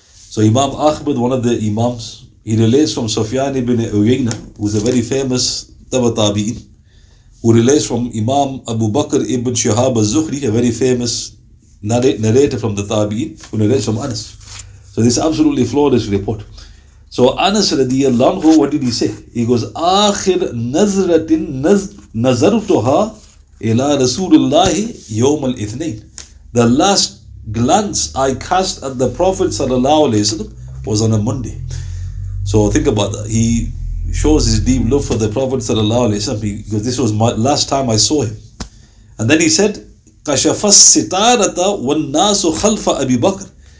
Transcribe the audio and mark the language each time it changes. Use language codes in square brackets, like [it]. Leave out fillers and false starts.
[en] So Imam Ahmad, one of the Imams, he relates from Sufyan ibn Uyayna, who is a very famous Taba Tabi'in, who relates from Imam Abu Bakr ibn Shihab al-Zuhri, a very famous narrator from the Tabi'in, who relates from Anas. So this absolutely flawless report. So Anas radiyallahu anhu, what did he say? He goes, [ar] آخر نظرة نظرتها إلى رسول الله يوم الاثنين. [en] The last glance I cast at the Prophet sallallahu alayhi wa sallam was on a Monday. So think about that. He shows his deep love for the Prophet sallallahu alayhi wa sallam, because this was my last time I saw him. And then he said, [ar] كَشَفَ السِّتَارَةَ وَالنَّاسُ خَلْفَ أَبِي بَكْرِ.